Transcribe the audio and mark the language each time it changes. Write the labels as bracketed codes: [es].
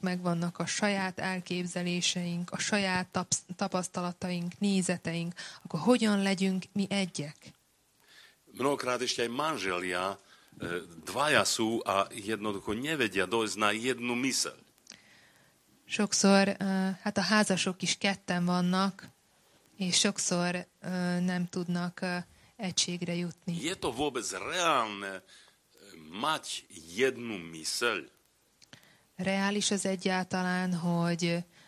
[hu] megvannak a saját elképzeléseink, a saját tapasztalataink, nézeteink, akkor hogyan legyünk mi egyek? [sk] Mnohokrát ešte aj manželia dvaja sú a jednoducho nevedia dojsť na jednu myseľ. [hu] Sokszor, hát a házasok is ketten vannak, és sokszor nem tudnak egységre jutni. [sk] Je to vôbec reálne mať jednu myseľ? [hu] Reális az egyáltalán, hogy